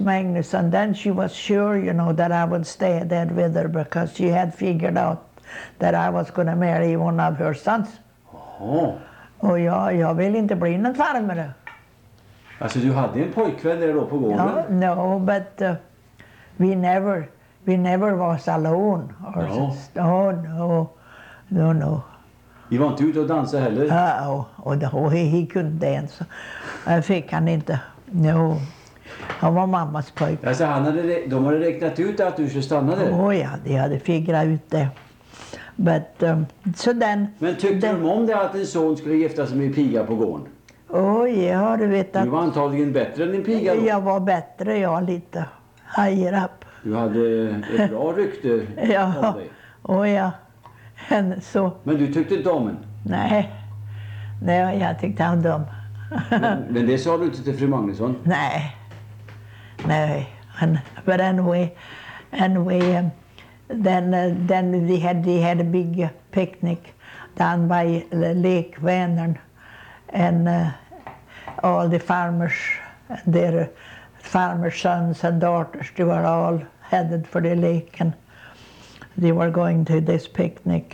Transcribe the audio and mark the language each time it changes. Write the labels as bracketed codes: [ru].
[en] Magnusson, then she was sure, you know, that I would stay there with her because she had figured out that I was going to marry one of her sons. [sv] Jaha. Och jag vill inte bli en farmare. Alltså du hade en pojkvän där då på gården? [en] No, but we never was alone. Or [sv] ja. [en] No. [sv] Vi var inte ute och dansade heller? Ja, [en] he couldn't dance. [sv] Jag fick han inte. No, han var mammas pojk. Alltså de hade räknat ut att du skulle stanna där? Oh ja, de hade figrat ut det. [en] But, so then, [sv] men tyckte de om det att en son skulle gifta sig med en piga på gården? Oj, ja, du vet att... Du var antagligen bättre än din piga då? Jag var bättre, ja, lite. [en] Higher up. [sv] Du hade ett bra rykte om dig. Ja, oj ja. Så... Men du tyckte inte om den? Nej, jag tyckte han dum. men det sa du inte till fru Magnusson? Nej. [en] But anyway then they had a big picnic down by Lake Vänern. And all the farmers, their farmers' sons and daughters, they were all headed for the lake, and they were going to this picnic.